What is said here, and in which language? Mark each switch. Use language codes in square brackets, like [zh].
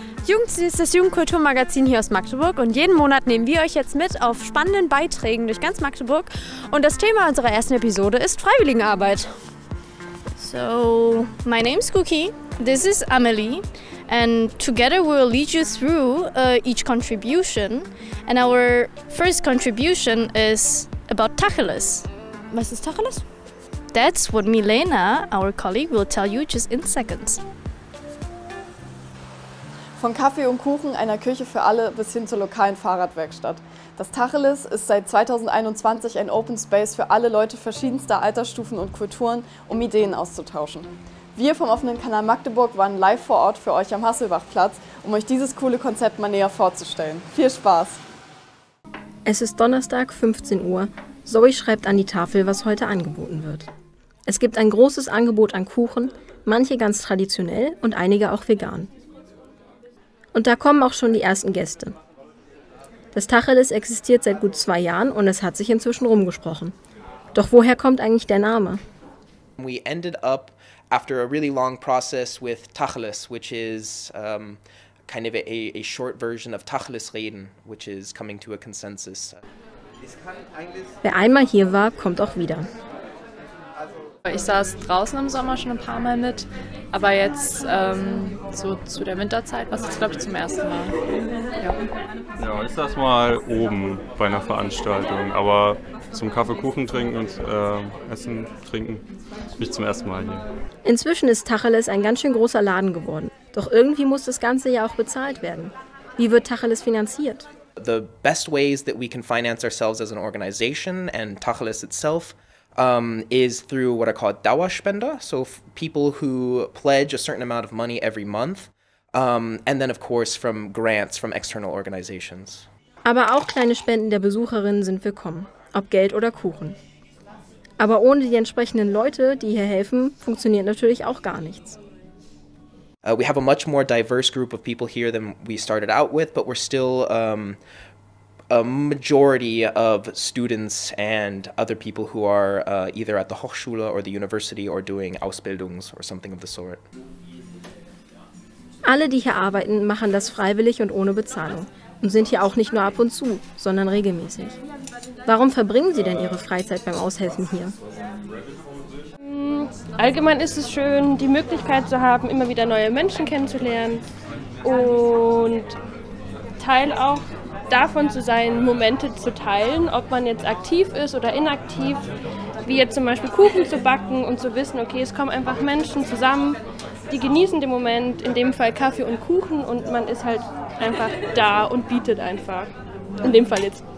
[de] Jugendstil ist das Jugendkulturmagazin hier aus Magdeburg und jeden Monat nehmen wir euch jetzt mit auf spannenden Beiträgen durch ganz Magdeburg und das Thema unserer ersten Episode ist Freiwilligenarbeit. [en] So, my name is Cookie, this is Amelie and together we'll lead you through each contribution and our first contribution is about Tacheles. [de] Was ist Tacheles? [en] That's what Milena, our colleague, will tell you just in seconds. [de] Von Kaffee und Kuchen, einer Küche für alle, bis hin zur lokalen Fahrradwerkstatt. Das Tacheles ist seit 2021 ein Open Space für alle Leute verschiedenster Altersstufen und Kulturen, um Ideen auszutauschen. Wir vom offenen Kanal Magdeburg waren live vor Ort für euch am Hasselbachplatz, um euch dieses coole Konzept mal näher vorzustellen. Viel Spaß! Es ist Donnerstag, 15 Uhr. Zoe schreibt an die Tafel, was heute angeboten wird. Es gibt ein großes Angebot an Kuchen, manche ganz traditionell und einige auch vegan. Und da kommen auch schon die ersten Gäste. Das Tacheles existiert seit gut 2 Jahren und es hat sich inzwischen rumgesprochen. Doch woher kommt eigentlich der Name? [en] We ended up after a really long process with Tacheles, which is kind of a short version of [de] Tacheles reden, [en] which is coming to a consensus. [de] Wer einmal hier war, kommt auch wieder. Ich saß draußen im Sommer schon ein paar Mal mit, aber jetzt so zu der Winterzeit war es, glaube ich, zum ersten Mal. Ja, ich saß mal oben bei einer Veranstaltung, aber zum Kaffeekuchen trinken und Essen trinken bin ich zum ersten Mal hier. Inzwischen ist Tacheles ein ganz schön großer Laden geworden. Doch irgendwie muss das Ganze ja auch bezahlt werden. Wie wird Tacheles finanziert? [en] The best ways that we can finance ourselves as an organization and Tacheles itself is through what are called Dauerspender, so people who pledge a certain amount of money every month, and then of course from grants from external organizations. [de] Aber auch kleine Spenden der Besucherinnen sind willkommen, ob Geld oder Kuchen. Aber ohne die entsprechenden Leute, die hier helfen, funktioniert natürlich auch gar nichts. [en] We have a much more diverse group of people here than we started out with, but we're still a majority of students and other people who are either at the Hochschule or the university or doing Ausbildungs or something of the sort. [de] Alle, die hier arbeiten, machen das freiwillig und ohne Bezahlung und sind hier auch nicht nur ab und zu, sondern regelmäßig. Warum verbringen Sie denn Ihre Freizeit beim Aushelfen hier? Allgemein ist es schön, die Möglichkeit zu haben, immer wieder neue Menschen kennenzulernen und Teil auch davon zu sein, Momente zu teilen, ob man jetzt aktiv ist oder inaktiv, wie jetzt zum Beispiel Kuchen zu backen und zu wissen, okay, es kommen einfach Menschen zusammen, die genießen den Moment, in dem Fall Kaffee und Kuchen und man ist halt einfach da und bietet einfach, in dem Fall jetzt